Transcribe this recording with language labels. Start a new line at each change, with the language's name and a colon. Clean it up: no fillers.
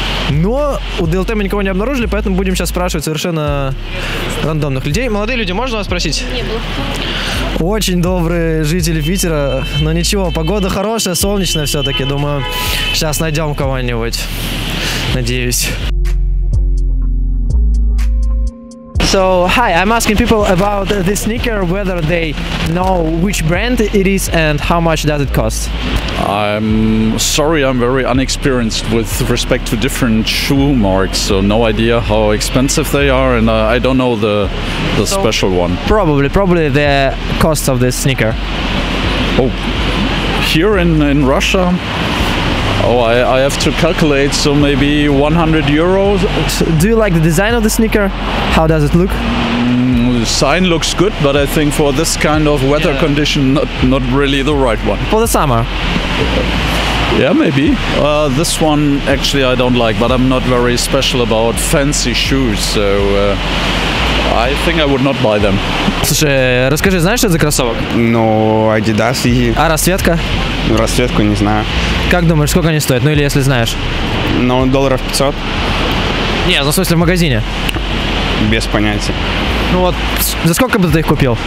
Russian: Но у ДЛТ мы никого не обнаружили, поэтому будем сейчас спрашивать совершенно рандомных людей. Молодые люди, можно вас спросить? Не было. Очень добрые жители Питера, но ничего, погода хорошая, солнечная. Все-таки, думаю, сейчас найдем кого-нибудь. Надеюсь.
English: So, hi, I'm asking people about this sneaker, whether they know which brand it is and how much does it cost. I'm sorry, I'm very inexperienced with respect to different shoe marks, so no idea how expensive they are, and I don't know the so special one. Probably the cost of this sneaker. Oh. Here in Russia, oh, I have to calculate, so maybe 100 euros. Do you like the design of the sneaker? How does it look? The design looks good, but I think for this kind of weather condition, not really the right one. For the summer? Yeah, maybe. This one actually I don't like, but I'm not very special about fancy shoes, so I think I would not buy them.
Russian: Слушай, расскажи, знаешь, что это за кроссовок? Ну, Adidas. А расцветка? Расцветку не знаю. Как думаешь, сколько они стоят? Ну или если знаешь? Ну, долларов 500. Не, ну в смысле в магазине? Без понятия. Ну вот, за сколько бы ты их купил?